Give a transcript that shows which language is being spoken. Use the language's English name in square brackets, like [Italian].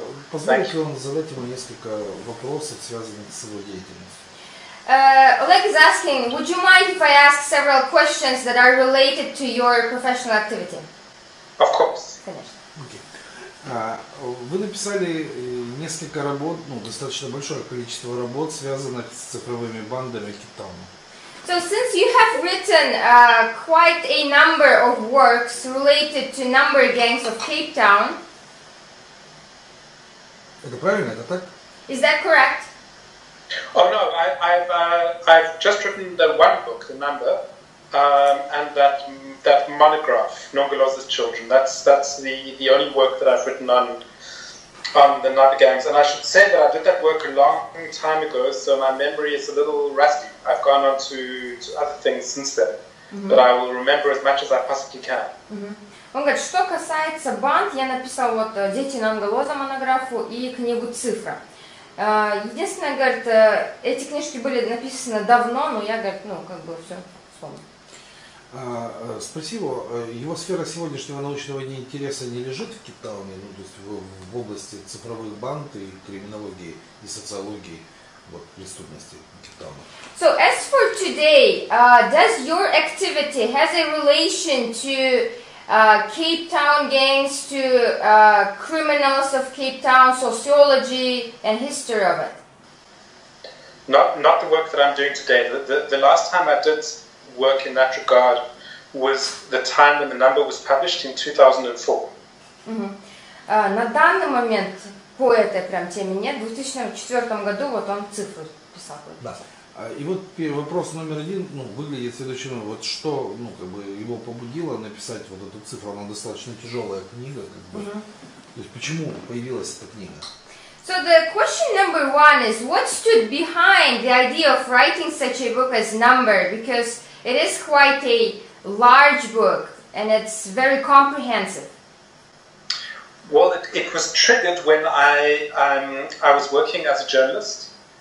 [Russian] Позвольте вам задать ему несколько вопросов, связанных с его деятельностью. [English] Oleg is asking, would you mind if I ask several questions that are related to your professional activity? Of course. [Russian] Конечно. [English] Okay. [Russian] Вы написали несколько работ, ну, достаточно большое количество работ, связанных с цифровыми бандами Кейптауна. [English] So since you have written quite a number of works related to number gangs of Cape Town. [Russian] Это правильно, это так? [English] Is that correct? Oh no, I've just written the one book, The Number, and that monograph, Non-Goloza's Children. That's the only work that I've written on the number gangs. And I should say that I did that work a long time ago, so my memory is a little rusty. I've gone on to other things since then, mm-hmm. but I will remember as much as I possibly can. Mm-hmm. [Russian] Он говорит, что касается банд, я написал вот «Дети Non-Goloza» монографу и книгу «Цифра». Единственное, говорит, эти книжки были написаны давно, но я, говорит, ну, как бы все вспомнил. Спасибо. Его сфера сегодняшнего научного интереса не лежит в Кейптауне, ну, то есть в области цифровых банд и криминологии и социологии вот, преступности Кейптауна. [English] So as for today, does your activity has a relation to Cape Town gangs, to criminals of Cape Town, sociology and history of it? Not the work that I'm doing today. The last time I did work in that regard was the time when the number was published in 2004. [Russian] На данный момент по этой прям теме нет. В 2004 году вот он цифры писал. Да. И вот вопрос номер один, ну, выглядит следующим образом. Вот что, ну, как бы его побудило написать вот эту цифру? Она достаточно тяжелая книга, как бы. Mm-hmm. То есть почему появилась эта книга? [English] So the question number one is, what stood behind the idea of writing such a book as Number? Because it is quite a large book and it's very comprehensive. Well, it was triggered when I was working as a journalist.